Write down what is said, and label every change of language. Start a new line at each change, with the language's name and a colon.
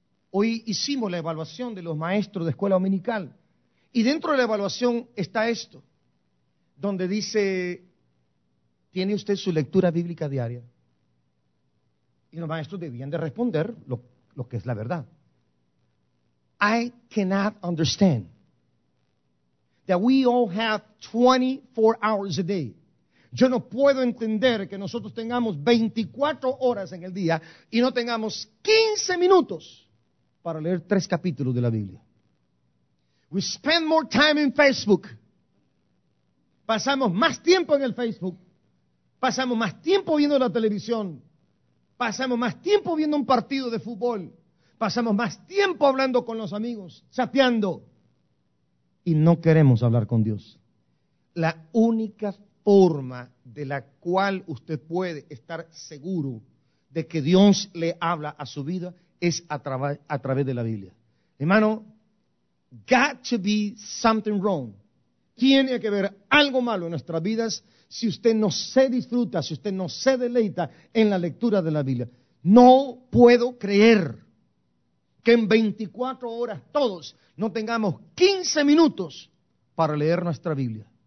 Spanish: Hoy hicimos la evaluación de los maestros de escuela dominical y dentro de la evaluación está esto, donde dice, ¿tiene usted su lectura bíblica diaria? Y los maestros debían de responder lo que es la verdad.
English: I cannot understand that we all have 24 hours a day.
Spanish: Yo no puedo entender que nosotros tengamos 24 horas en el día y no tengamos 15 minutos para leer 3 capítulos de la Biblia.
English: We spend more time in Facebook.
Spanish: Pasamos más tiempo en el Facebook. Pasamos más tiempo viendo la televisión. Pasamos más tiempo viendo un partido de fútbol. Pasamos más tiempo hablando con los amigos, chateando. Y no queremos hablar con Dios. La única forma de la cual usted puede estar seguro de que Dios le habla a su vida es a través de la Biblia.
English: Hermano, got to be something wrong.
Spanish: Tiene que haber algo malo en nuestras vidas si usted no se disfruta, si usted no se deleita en la lectura de la Biblia. No puedo creer que en 24 horas todos no tengamos 15 minutos para leer nuestra Biblia.